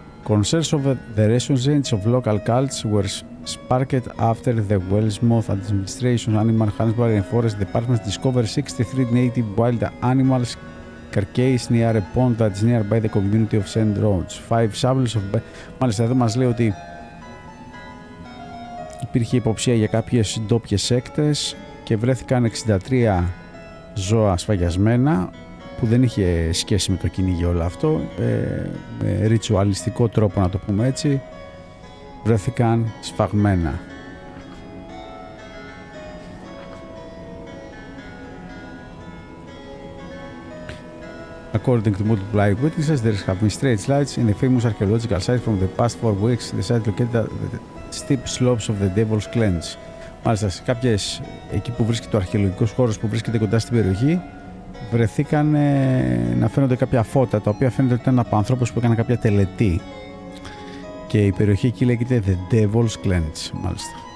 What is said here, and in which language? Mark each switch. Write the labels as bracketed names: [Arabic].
[English] Concerns of the residents of local cults were sparked after the Wellsmouth Administration Animal Husbandry and Forest Department discovered 63 native wild animals carcass near a pond that's nearby the community of St. Rhodes. Five samples of... [Greek] Μάλιστα, εδώ μας λέει ότι υπήρχε υποψία για κάποιες ντόπιες σέκτες και βρέθηκαν 63 ζώα σφαγιασμένα που δεν είχε σχέση με το κυνήγι όλο αυτό, με ριτσουαλιστικό τρόπο να το πούμε έτσι, βρέθηκαν σφαγμένα. [English] According to multiple eyewitnesses, there have been strange lights in the famous archaeological site from the past 4 weeks. The site located at the steep slopes of the Devil's Clench. [Greek] Μάλιστα, σε κάποιες εκεί που βρίσκεται ο αρχαιολογικός χώρος που βρίσκεται κοντά στην περιοχή, βρεθήκαν να φαίνονται κάποια φώτα, τα οποία φαίνεται ότι ήταν από ανθρώπους που έκαναν κάποια τελετή. Και η περιοχή εκεί λέγεται The Devil's Clench, μάλιστα.